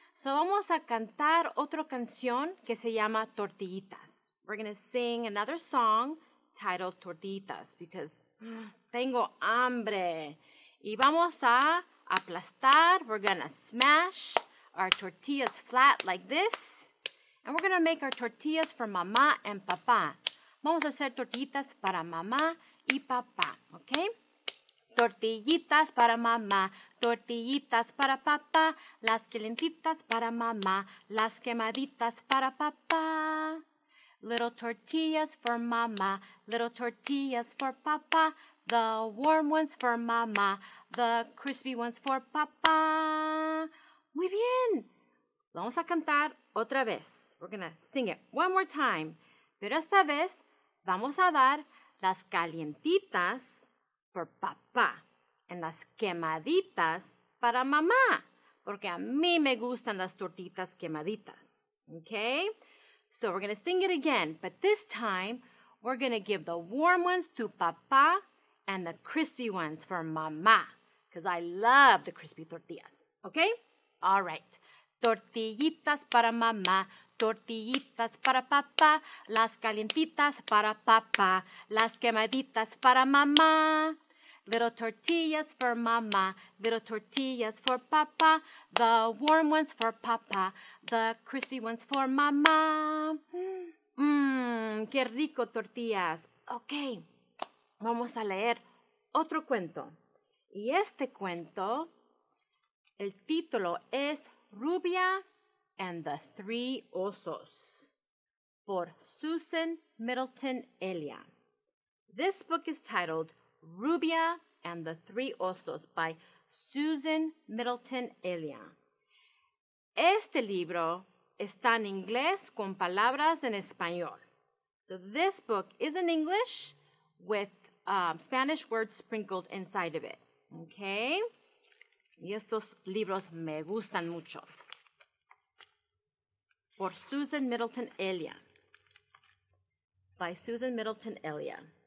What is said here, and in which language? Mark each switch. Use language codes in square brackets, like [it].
[es] So vamos a cantar otra canción que se llama Tortillitas. [en] We're going to sing another song titled Tortitas because [es] tengo hambre. Y vamos a aplastar. [en] We're going to smash our tortillas flat like this. And we're going to make our tortillas for mamá and papá. [es] Vamos a hacer tortitas para mamá y papá. Okay? Tortillitas para mamá, tortillitas para papá. Las calentitas para mamá, las quemaditas para papá. [en] Little tortillas for mama, little tortillas for papa, the warm ones for mama, the crispy ones for papa. [es] Muy bien. Vamos a cantar otra vez. [en] We're going to sing it one more time. [es] Pero esta vez vamos a dar las calientitas [en] for papa and [es] las quemaditas para mamá. Porque a mí me gustan las tortitas quemaditas. [en] Okay? So we're going to sing it again, but this time we're going to give the warm ones to papá and the crispy ones for mamá, because I love the crispy tortillas, okay? All right. [es] Tortillitas para mamá, tortillitas para papá, las calientitas para papá, las quemaditas para mamá. [en] Little tortillas for mama, little tortillas for papa, the warm ones for papa, the crispy ones for mama. [es] Qué rico, tortillas. Ok, vamos a leer otro cuento. Y este cuento, el título es Rubia and the Three Osos, por Susan Middleton Elia. [en] This book is titled Rubia and the Three Osos by Susan Middleton Elia. [es] Este libro está en inglés con palabras en español. [en] So this book is in English with Spanish words sprinkled inside of it. [es] Okay? Y estos libros me gustan mucho. Por Susan Middleton Elia. By Susan Middleton Elia.